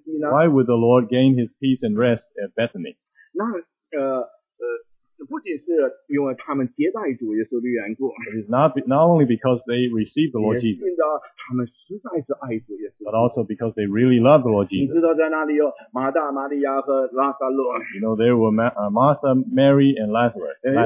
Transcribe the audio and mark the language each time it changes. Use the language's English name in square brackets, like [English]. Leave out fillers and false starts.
[English] Why would the Lord gain his peace and rest at Bethany? [Chinese] 不仅是因为他们接待主耶稣的缘故, [English] it is not only because they received the Lord Jesus, [Chinese] 也听到他们实在是爱主耶稣, [English] but also because they really love the Lord Jesus. [Chinese] 你知道在那里有马大, 玛利亚和拉萨路, [English] you know, there were Martha, Mary, and Lazarus.